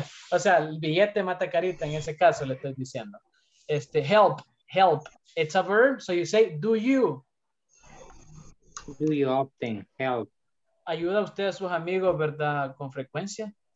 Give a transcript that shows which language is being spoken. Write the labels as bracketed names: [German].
[Spanish] O sea, el billete mata carita, en ese caso le estoy diciendo. [English] Help. It's a verb, so you say, do you. Do you often help? [Spanish] ¿Ayuda usted a sus amigos, verdad, con frecuencia?